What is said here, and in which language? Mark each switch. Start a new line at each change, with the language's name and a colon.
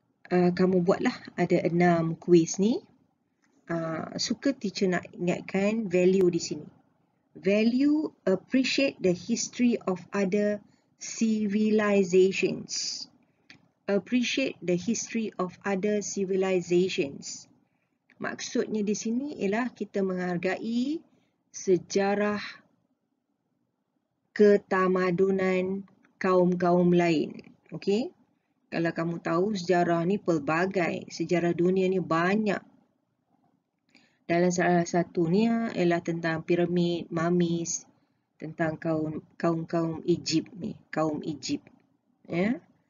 Malay: Kamu buatlah ada 6 kuis ni. Suka teacher nak ingatkan value di sini.
English: Value, appreciate the history of other civilizations. Appreciate the history of other civilizations.
Malay: Maksudnya di sini ialah kita menghargai sejarah ketamadunan kaum-kaum lain. Okey? Kalau kamu tahu, sejarah ni pelbagai. Sejarah dunia ni banyak. Dalam salah satunya ialah tentang piramid, mamis, tentang kaum-kaum Egypt ni. Kaum Egypt. Yeah?